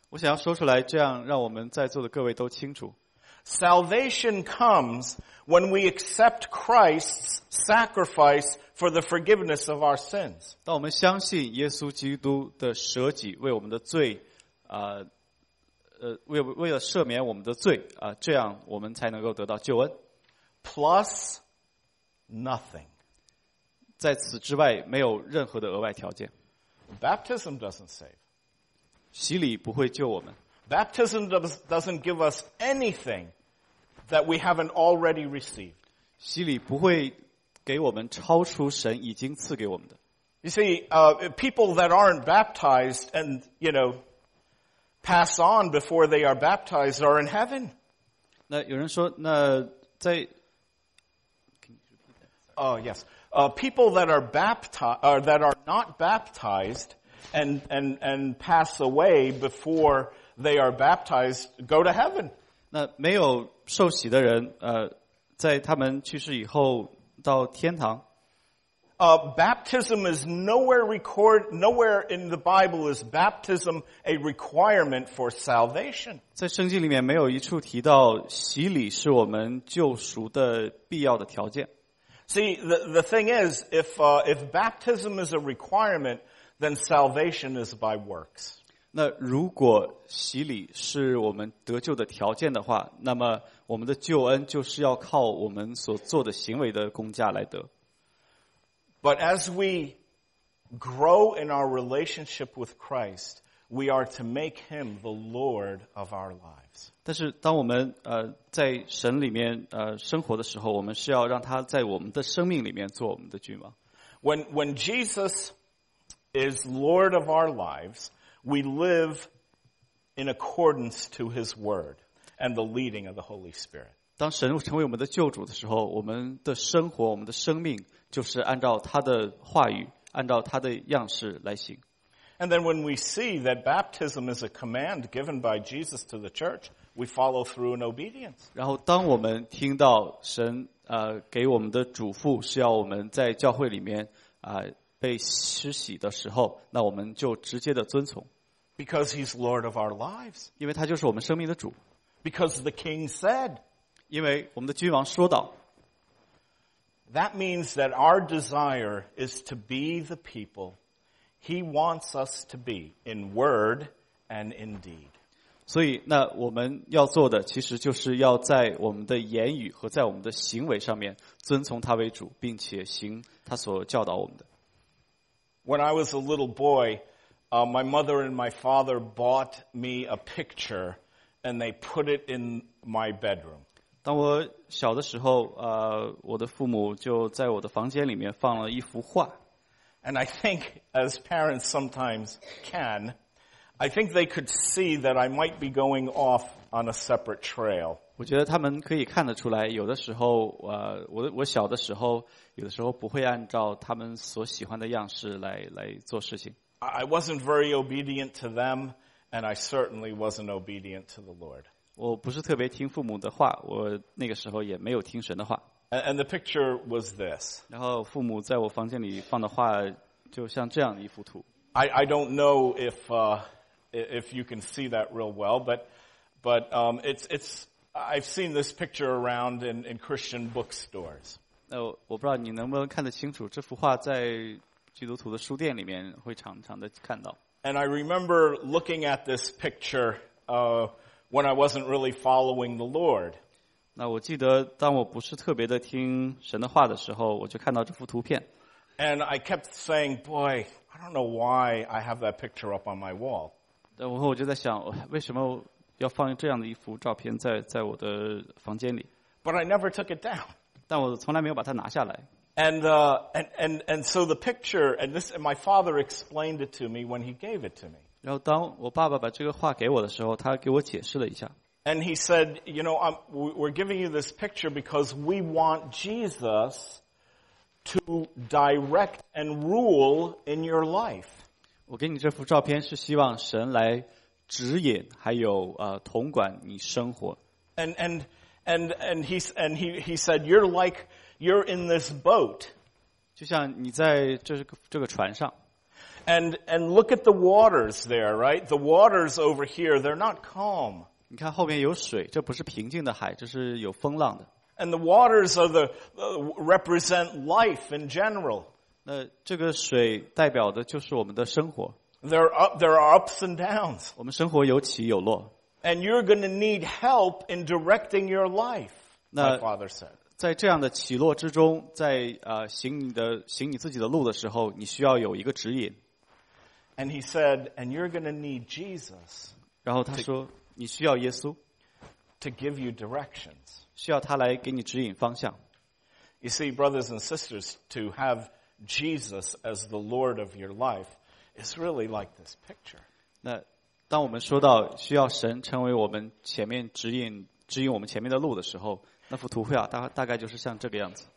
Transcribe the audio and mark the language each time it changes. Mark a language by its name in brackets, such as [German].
[Chinese] 我想要说出来，这样让我们在座的各位都清楚。 [English] Salvation comes when we accept Christ's sacrifice for the forgiveness of our sins. [Chinese] 当我们相信耶稣基督的舍己为我们的罪，为了赦免我们的罪，这样我们才能够得到救恩。 [English] Plus nothing. [Chinese] 在此之外没有任何的额外条件。 [English] Baptism doesn't save. [Chinese] 洗礼不会救我们。 [English] Baptism doesn't give us anything that we haven't already received. [Chinese] 洗礼不会给我们超出神已经赐给我们的。 [English] You see, people that aren't baptized and, you know, pass on before they are baptized are in heaven. [Chinese] 那有人说，那在 [English] Can you repeat that? Oh, yes. People that are baptized, or that are not baptized and pass away before they are baptized go to heaven. [Chinese] 那没有受洗的人，在他们去世以后到天堂。 [English] Baptism is nowhere in the Bible is baptism a requirement for salvation. [Chinese] 在圣经里面没有一处提到洗礼是我们救赎的必要的条件。 [English] See, the thing is, if baptism is a requirement, then salvation is by works. [Chinese] 那如果洗礼是我们得救的条件的话，那么我们的救恩就是要靠我们所做的行为的工价来得。 [English] But as we grow in our relationship with Christ, we are to make him the Lord of our lives. [Chinese] 但是当我们在神里面生活的时候，我们是要让他在我们的生命里面做我们的君王。 [English] When Jesus is Lord of our lives, we live in accordance to his word and the leading of the Holy Spirit. [Chinese] 当神成为我们的救主的时候，我们的生活，我们的生命就是按照他的话语，按照他的样式来行。 [English] And then when we see that baptism is a command given by Jesus to the church, we follow through in obedience. [Chinese] 然后当我们听到神给我们的嘱咐是要我们在教会里面被施洗的时候，那我们就直接的遵从。 [English] Because he's Lord of our lives. [Chinese] 因为他就是我们生命的主。 [English] Because the king said. [Chinese] 因为我们的君王说道。 [English] That means that our desire is to be the people he wants us to be in word and in deed. [Chinese] 所以那我们要做的其实就是要在我们的言语和在我们的行为上面遵从他为主，并且行他所教导我们的。 [English] When I was a little boy, my mother and my father bought me a picture and they put it in my bedroom. [Chinese] 当我小的时候我的父母就在我的房间里面放了一幅画。 [English] And I think, as parents sometimes can, I think they could see that I might be going off on a separate trail. [Chinese] 我觉得他们可以看得出来，有的时候，我小的时候，有的时候不会按照他们所喜欢的样式来做事情。 [English] I wasn't very obedient to them, and I certainly wasn't obedient to the Lord. [Chinese] 我不是特别听父母的话，我那个时候也没有听神的话。 [English] And the picture was this. [Chinese] 然后父母在我房间里放的画就像这样一幅图。 [English] I don't know if you can see that real well, but it's I've seen this picture around in Christian bookstores. [Chinese] 我不知道你能不能看得清楚，这幅画在基督徒的书店里面会常常的看到。 [English] And I remember looking at this picture when I wasn't really following the Lord. [Chinese] 那我记得当我不是特别的听神的话的时候，我就看到这幅图片。 [English] And I kept saying, boy, I don't know why I have that picture up on my wall. [Chinese] 然后我就在想，为什么要放这样的一幅照片在我的房间里。 [English] But I never took it down. [Chinese] 但我从来没有把它拿下来。 [English] And so the picture, and this, and my father explained it to me when he gave it to me. [Chinese] 然后当我爸爸把这个画给我的时候，他给我解释了一下。 [English] And he said, you know, we're giving you this picture because we want Jesus to direct and rule in your life. [Chinese] 我给你这幅照片是希望神来指引还有统管你生活。 [English] And he said, you're in this boat. [Chinese] 就像你在这个船上。 [English] And look at the waters there, right? The waters over here, they're not calm. [Chinese] 你看后面有水，这不是平静的海，这是有风浪的。 [English] And the waters are the represent life in general. [Chinese] 那这个水代表的就是我们的生活。 [English] There are ups and downs. [Chinese] 我们生活有起有落。 [English] And you're going to need help in directing your life. My father said. [Chinese] 在这样的起落之中，在行你自己的路的时候，你需要有一个指引。 [English] And he said, and you're going to need Jesus. [Chinese] 然后他说。你需要耶稣 [English] to give you directions. [Chinese] 需要他来给你指引方向。 [English] You see, brothers and sisters, to have Jesus as the Lord of your life is really like this picture. [Chinese] 那当我们说到需要神成为我们前面指引我们前面的路的时候，那幅图画大概就是像这个样子。